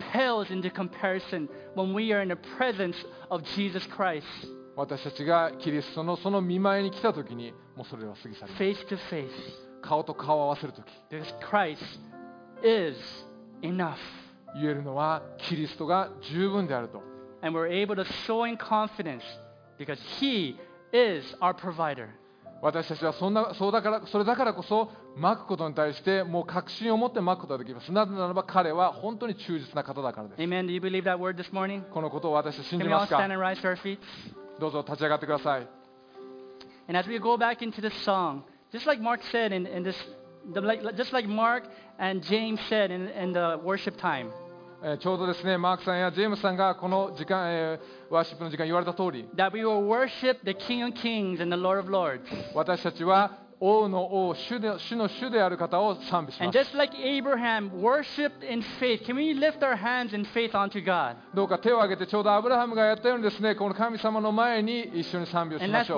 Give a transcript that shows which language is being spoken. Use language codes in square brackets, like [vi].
[en] pales into comparison when we are in the presence of Jesus Christ. [ja] 私たちがキリストのその御前に来たときにもうそれは過ぎ去ります。 [en] Face to face, [ja] 顔と顔を合わせるとき、 [en] because Christ is enough. [ja] 言えるのはキリストが十分であると。 [en] And we're able to show in confidence because He is our provider. [ja] 私たちはそんな、そうだから、それだからこそ巻くことに対してもう確信を持って巻くことができます。なぜならば彼は本当に忠実な方だからです。 [en] Amen. Do you believe that word this morning? [ja] このことを私は信じますか。 [en] Can we all stand and rise to our feet? [ja] どうぞ立ち上がってください。 [en] And as we go back into this song, just like Mark said in this, just like Mark and James said in the worship time, [ja] ちょうどですね、マークさんやジェームスさんがこの時間、ワーシップの時間言われた通り、 [en] That we will worship the King of Kings and the Lord of Lords. [ja] 私たちは王の王、主の主である方を賛美します。 [en] And just like Abraham worshipped in faith, can we lift our hands in faith unto God? [ja] どうか手を挙げて、ちょうどアブラハムがやったようにですね、この神様の前に一緒に賛美をしましょう。